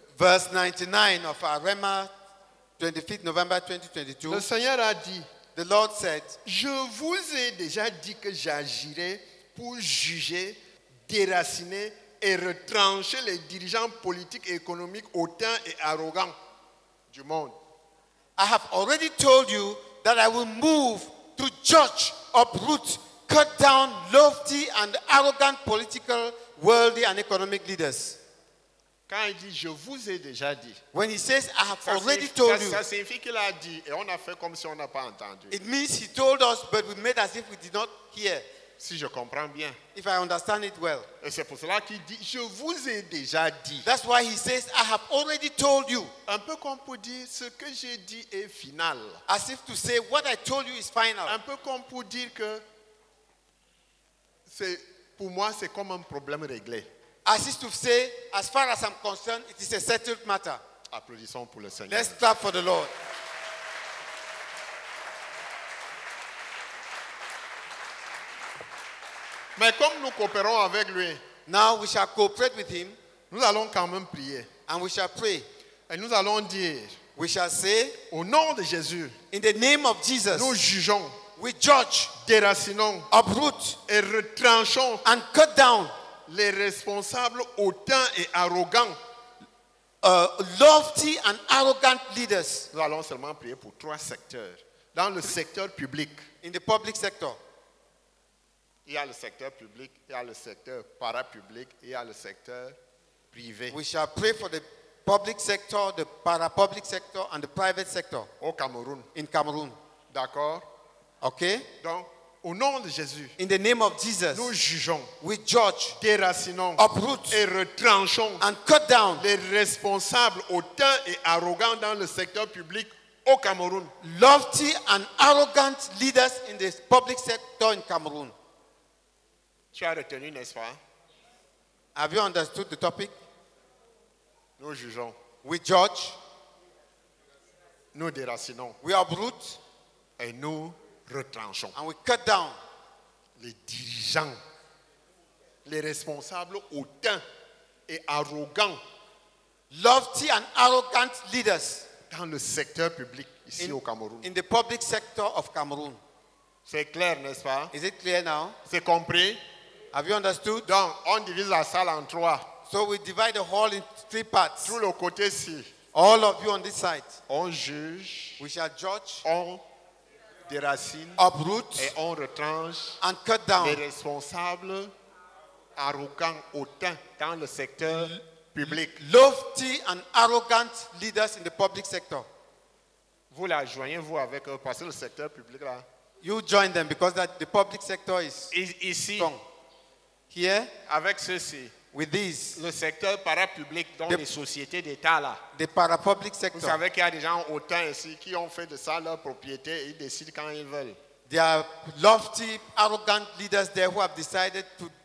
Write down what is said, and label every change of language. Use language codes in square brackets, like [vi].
[en] Verse 99 of our Réma, 25 novembre 2022. [fr] Le Seigneur a dit, [en] the Lord said, [fr] je vous ai déjà dit que j'agirai pour juger, déraciner et retrancher les dirigeants politiques et économiques hautains et arrogants du monde. [en] I have already told you that I will move to judge, uproot, cut down lofty and arrogant political, worldly and economic leaders. [fr] Quand il dit, je vous ai déjà dit. [en] When he says, I have already told you. [fr] Ça signifie qu'il a dit et on a fait comme si on n'a pas entendu. [en] It means he told us, but we made as if we did not hear. [fr] Si je comprends bien. [en] If I understand it well. [fr] Et c'est pour cela qu'il dit, je vous ai déjà dit. [en] That's why he says, I have already told you. [fr] Un peu comme pour dire, ce que j'ai dit est final. [en] As if to say, what I told you is final. [fr] Un peu comme pour dire que, c'est, pour moi, c'est comme un problème réglé. [en] As if to say, as far as I'm concerned, it is a settled matter. [fr] Applaudissons pour le Seigneur. [en] Let's clap for the Lord. [fr] Mais comme nous coopérons avec lui, [en] now we shall cooperate with him, [fr] nous allons quand même prier. [en] And we shall pray. [fr] Et nous allons dire, [en] we shall say, [fr] au nom de Jésus, [en] in the name of Jesus, [fr] nous jugeons, [en] we judge, [fr] déracinons, [en] uproot, [fr] et retranchons, [en] and cut down, [fr] les responsables hautains et arrogants, [en] lofty and arrogant leaders. [fr] Nous allons seulement prier pour trois secteurs. Dans le secteur public. [en] In the public sector. [fr] Il y a le secteur public, il y a le secteur parapublic, il y a le secteur privé. [en] We shall pray for the public sector, the parapublic sector and the private sector. [fr] Au Cameroun. [en] In Cameroon. [fr] D'accord. [en] Ok. [fr] Donc, au nom de Jésus. [en] In the name of Jesus. [fr] Nous jugeons. [en] We judge. [fr] Déracinons. [en] Uproot. [fr] Et retranchons. [en] And cut down. [fr] Les responsables hautains et arrogants dans le secteur public au Cameroun. [en] Lofty and arrogant leaders in the public sector in Cameroon. [fr] Tu as retenu, n'est-ce pas? [en] Have you understood the topic? [fr] Nous jugeons. [en] We judge. [fr] Nous déracinons. [en] We uproot. [fr] Et nous retranchons. [en] And we cut down. [fr] Les dirigeants, les responsables hautains et arrogants. [en] Lofty and arrogant leaders. [fr] Dans le secteur public ici [en] in, [fr] au Cameroun. [en] In the public sector of Cameroon. [fr] C'est clair, n'est-ce pas? [en] Is it clear now? [fr] C'est compris? [en] Have you understood? [fr] Donc, on divise la salle en trois. [en] So we divide the hall in three parts. [fr] Tout le côté-ci. [en] All of you on this side. [fr] On juge. [en] We shall judge. [fr] On déracine. [en] Uproot. [fr] Et on retranche. [en] And cut down. [fr] Les responsables arrogants, hautains dans le secteur public. [en] Lofty and arrogant leaders in the public sector. [fr] Vous la joignez-vous avec eux, parce que le secteur public là. [en] You join them because that the public sector is [fr] ici, [en] strong. Here, [fr] avec ceci, [en] with these, [fr] le secteur parapublic dans les sociétés d'État là. [en] The parapublic sector. [fr] Vous savez qu'il y a des gens hautains ici qui ont fait de ça leur propriété et ils décident quand ils veulent. [en] There are lofty, arrogant leaders there who have decided to